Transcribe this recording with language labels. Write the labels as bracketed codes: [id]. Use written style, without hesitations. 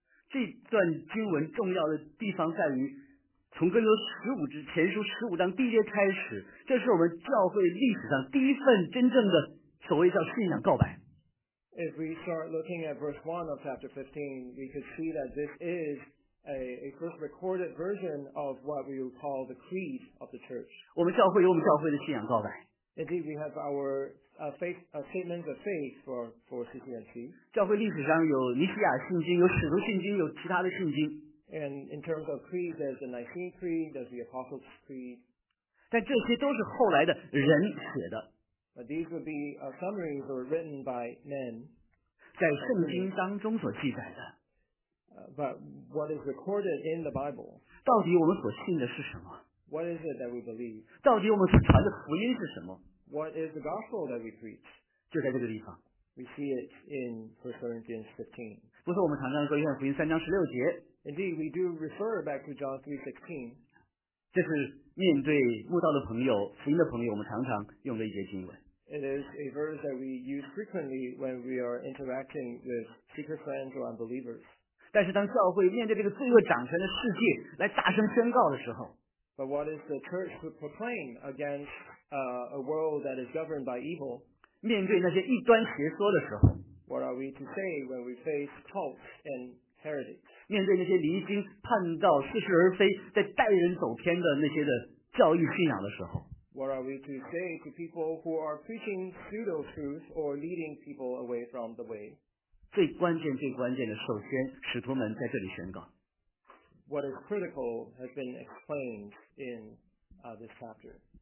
[zh] 这段经文重要的地方在于，从哥林多前书十五章第一节开始，这是我们教会历史上第一份真正的所谓叫信仰告白。 [en] If we start looking at verse 1 of chapter 15, we could see that this is a first recorded version of what we would call the creed of the church. [zh] 我们教会有我们教会的信仰告白。 [en] Indeed, we have our statements of faith for CCNC. [zh] 教会历史上有尼西亚信经，有使徒信经，有其他的信经。 [en] And in terms of creed, there's the Nicene Creed, there's the Apostles' Creed. [zh] 但这些都是后来的人写的。 [en] But these would be summaries or written by men. [zh] 在圣经当中所记载的。 [en] But what is recorded in the Bible? [zh] 到底我们所信的是什么？ [en] What is it that we believe? [zh] 到底我们所传的福音是什么？ [en] What is the gospel that we preach? [zh] 就在这个地方。 [en] We see it in 1 Corinthians 15. [zh] 不是我们常常说约翰福音三章十六节。 [en] Indeed, we do refer back to John 3:16. [zh] 这是面对慕道的朋友、福音的朋友，我们常常用的一节经文。 [en] It is a verse that we use frequently when we are interacting with seeker friends or unbelievers. [zh] 但是当教会面对这个罪恶掌权的世界来大声宣告的时候。 [en] But what is the church to proclaim against a world that is governed by evil? [zh] 面对那些异端邪说的时候， [en] What are we to say when we face cults and heretics? [zh] 面对那些离经叛道、似是而非、在带人走偏的那些的教义信仰的时候， [en] What are we to say to people who are preaching pseudo truth or leading people away from the way? [zh] 最关键、最关键的，首先使徒们在这里宣告。 [en] What is critical has been explained in this chapter.